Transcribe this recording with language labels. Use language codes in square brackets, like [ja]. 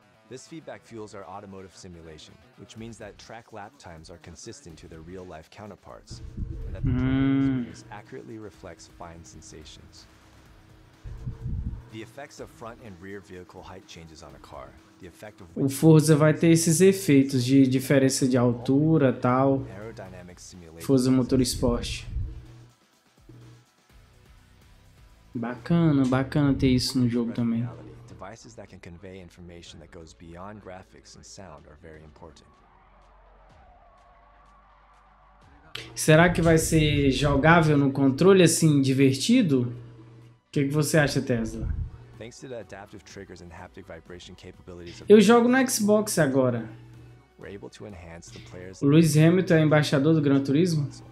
[en] This feedback fuels our automotive simulation, which means that track lap times are consistent to their real-life counterparts, and that the experience accurately reflects fine sensations. The effects of front and rear vehicle height changes on a car. The effect of [pt] o Forza vai ter esses efeitos de diferença de altura, tal. [en] Aerodynamic simulation. Forza Motorsport. [pt] Bacana, bacana ter isso no jogo também. [en] Devices that can convey information that goes beyond graphics and sound are very important. [pt] Será que vai ser jogável no controle assim, divertido? O que que você acha, Tesla? [en] Thanks to the adaptive triggers and haptic vibration capabilities of... [pt] Eu jogo no Xbox agora. [en] We're able to enhance the players... [pt] O Lewis Hamilton é embaixador do Gran Turismo?